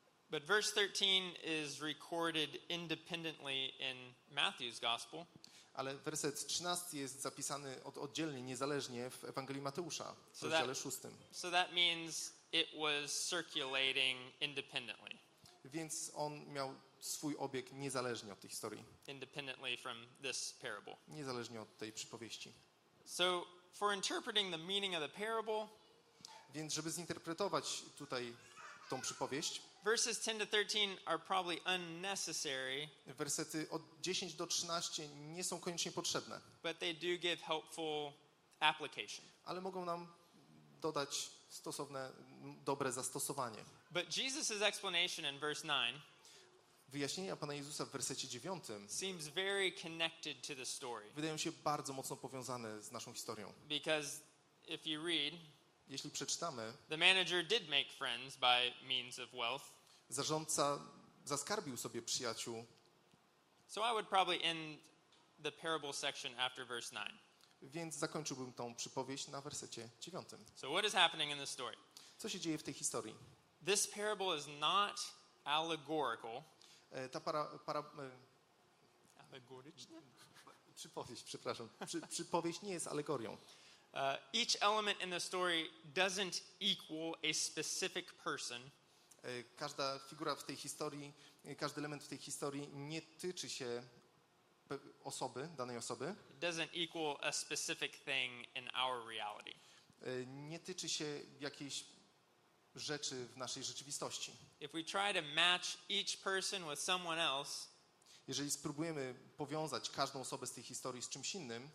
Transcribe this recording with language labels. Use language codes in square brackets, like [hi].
[en] But verse 13 is recorded independently in Matthew's gospel. [pl] Ale werset 13 jest zapisany oddzielnie, niezależnie w Ewangelii Mateusza, w rozdziale 6. [en] So that means it was circulating independently. [pl] Więc on miał swój obieg niezależnie od tej historii. [en] Independently from this parable. [pl] Niezależnie od tej przypowieści. [en] So for interpreting the meaning of the parable, [pl] więc żeby zinterpretować tutaj tą przypowieść, [en] verses 10 to 13 are probably unnecessary. [pl] Wersety od 10 do 13 nie są koniecznie potrzebne. [en] But they do give helpful application. [pl] Ale mogą nam dodać stosowne, dobre zastosowanie. [en] But Jesus's explanation in verse 9, [pl] wyjaśnienia Pana Jezusa w wersecie 9 [en] seems very connected to the story. [pl] Wydają się bardzo mocno powiązane z naszą historią. [en] Because if you read, [pl] jeśli przeczytamy, [en] the manager did make friends by means of wealth. [pl] Zarządca zaskarbił sobie przyjaciół. [en] So I would probably end the parable section after verse 9. [pl] Więc zakończyłbym tą przypowieść na wersecie 9. [en] So what is happening in this story? [pl] Co się dzieje w tej historii? [en] This parable is not allegorical. [pl] Ta para allegoryczna? Przypowieść, przepraszam. Przypowieść nie jest alegorią. [en] Each element in the story doesn't equal a specific person. [pl] Każda figura w tej historii, każdy element w tej historii nie tyczy się osoby, danej osoby. [en] It doesn't equal a specific thing in our reality. [pl] Nie tyczy się jakiejś rzeczy w naszej rzeczywistości. [en] If we try to match each person with someone else, [pl] jeżeli spróbujemy powiązać każdą osobę z tej historii z czymś innym,